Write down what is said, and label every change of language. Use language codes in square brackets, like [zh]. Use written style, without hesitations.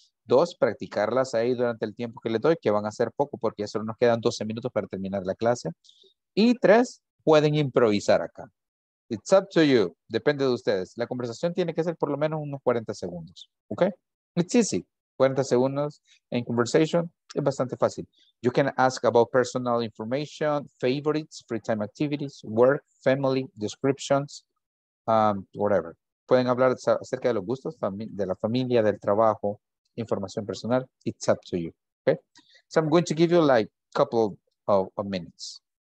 [es] Dos, practicarlas ahí durante el tiempo que les doy, que van a ser poco porque ya solo nos quedan 12 minutos para terminar la clase. Y tres, pueden improvisar acá. [en] It's up to you. [es] Depende de ustedes. La conversación tiene que ser por lo menos unos 40 segundos. ¿Ok? [en] It's easy. [es] 40 segundos en conversation es bastante fácil. [en] You can ask about personal information, favorites, free time activities, work, family, descriptions, whatever. [es] Pueden hablar acerca de los gustos, de la familia, del trabajo, información personal. [en] It's up to you. Okay? So I'm going to give you like a couple of minutes.